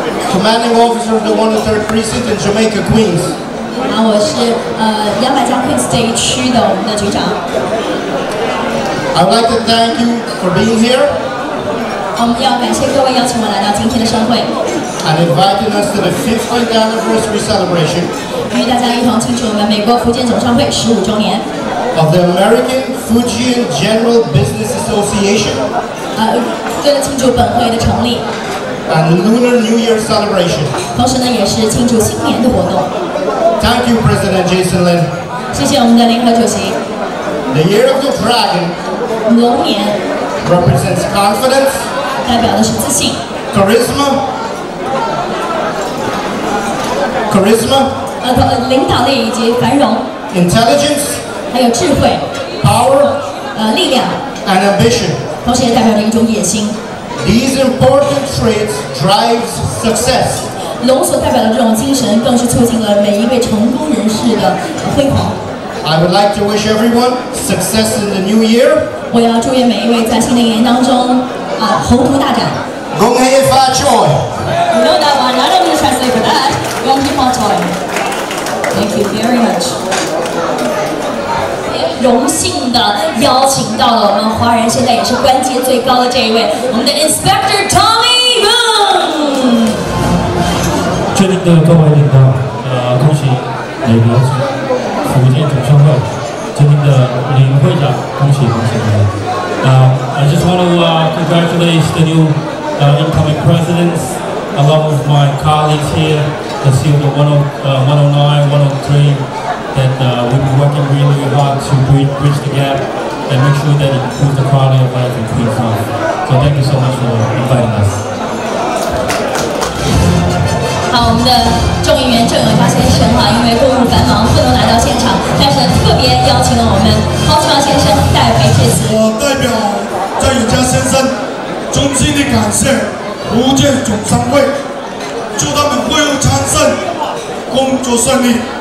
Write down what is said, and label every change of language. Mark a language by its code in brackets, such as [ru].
[en] commanding officer of the 103rd Precinct in Jamaica, Queens. [zh] 然后我是200家 Queens 这一区的我们的局长。 [en] I'd like to thank you for being here. [zh] 我们要感谢各位邀请我来到今天的商会。 [en] And inviting us to the 50th anniversary celebration. [zh] 与大家一同庆祝我们美国福建总商会十五周年。 [en] Of the American Fujian General Business Association. [zh] 为了庆祝本会的成立。 [en] And Lunar New Year celebration. [zh] 同时呢，也是庆祝新年的活动。 [en] Thank you, President Jason Lin. [zh] 谢谢我们的联合主席。 [en] The Year of the Dragon. [zh] 龙年。 [en] Represents confidence. [zh] 代表的是自信。 [en] Charisma. Charisma. [zh] 领导力以及繁荣。 [en] Intelligence. [zh] 还有智慧。 [en] Power. [zh] 力量。 [en] And ambition. [zh] 同时也代表了一种野心。 [en] These important traits drive success. [zh] 龙所代表的这种精神，更是促进了每一位成功人士的辉煌。 [en] I would like to wish everyone success in the new year. [zh] 我要祝愿每一位在新的一年当中，宏图大展。恭喜发财！ [en] No, that one. I don't need to translate for that. 恭喜发财！ Thank you very much. [zh] 荣幸的邀请到了我们华人现在也是官阶最高的这一位，我们的 Inspector Tommy Boom。尊敬的各位领导，恭喜美国福建总商会。尊敬的林会长，恭喜恭喜。 [en] I just want to congratulate the new incoming presidents along with my colleagues here, the CEO of 109, 103. That we've been working really, really hard to bridge the gap and make sure that it improves the quality of life in Queenstown. So thank you so much for inviting us. [zh] 好，我们的众议员郑永嘉先生哈，因为公务繁忙不能来到现场，但是特别邀请了我们高志旺先生代为致辞。我代表郑永嘉先生，衷心的感谢福建总商会，祝他们会务昌盛，工作顺利。